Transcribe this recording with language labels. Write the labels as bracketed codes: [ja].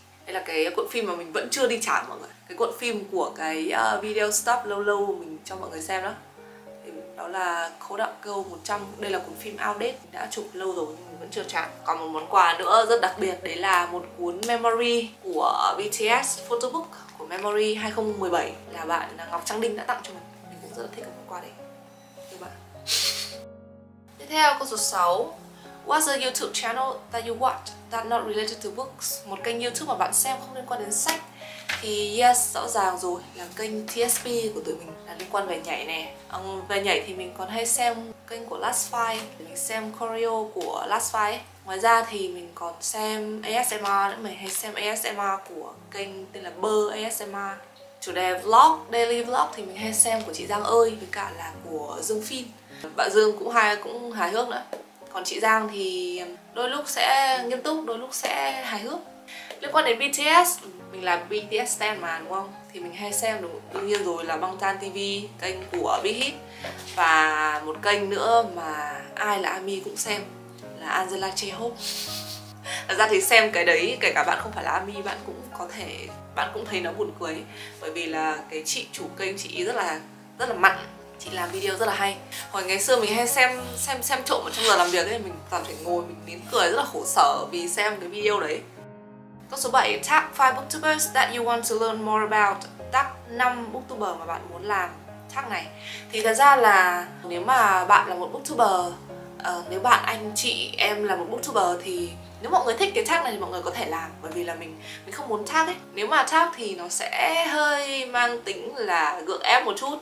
[vi] Đây là cái cuộn phim mà mình vẫn chưa đi trả mọi người. Cái cuộn phim của cái video stop lâu lâu mình cho mọi người xem đó, đó là Kodak Go 100. Đây là cuốn phim outdate, đã chụp lâu rồi nhưng vẫn chưa trả. Còn một món quà nữa rất đặc biệt, đấy là một cuốn memory của BTS, photobook của memory 2017 là bạn Ngọc Trang Đinh đã tặng cho mình. Mình cũng rất là thích cái món quà đấy. Được bạn. Tiếp theo câu số 6. [en] What's a YouTube channel that you watch that not related to books? [vi] Một kênh YouTube mà bạn xem không liên quan đến sách. Thì yes, rõ ràng rồi, là kênh TSP của tụi mình là liên quan về nhảy nè. Về nhảy thì mình còn hay xem kênh của Last Five, mình xem choreo của Last Five. Ngoài ra thì mình còn xem ASMR nữa, mình hay xem ASMR của kênh tên là Bơ ASMR. Chủ đề vlog, daily vlog thì mình hay xem của chị Giang ơi, với cả là của Dương Phin. Bạn Dương cũng hài hước nữa. Còn chị Giang thì đôi lúc sẽ nghiêm túc, đôi lúc sẽ hài hước. Liên quan đến BTS, mình là BTS stan mà đúng không? Thì mình hay xem đương nhiên rồi là Bangtan TV, kênh của Big Hit. Và một kênh nữa mà ai là ARMY cũng xem là Angela J-Hope. Thật ra thì xem cái đấy, kể cả bạn không phải là ARMY, bạn cũng có thể, bạn cũng thấy nó buồn cười. Bởi vì là cái chị chủ kênh, chị rất là mặn, chị làm video rất là hay. Hồi ngày xưa mình hay xem trộm ở trong giờ làm việc ấy, mình toàn phải ngồi mình nín cười rất là khổ sở vì xem cái video đấy. Câu số 7, [en] tag 5 booktubers that you want to learn more about. [vi] Tag 5 booktuber mà bạn muốn làm tag này. Thì thật ra là nếu mà bạn là một booktuber, nếu bạn, anh, chị, em là một booktuber thì nếu mọi người thích cái tag này thì mọi người có thể làm. Bởi vì là mình không muốn tag ấy. Nếu mà tag thì nó sẽ hơi mang tính là gượng ép một chút.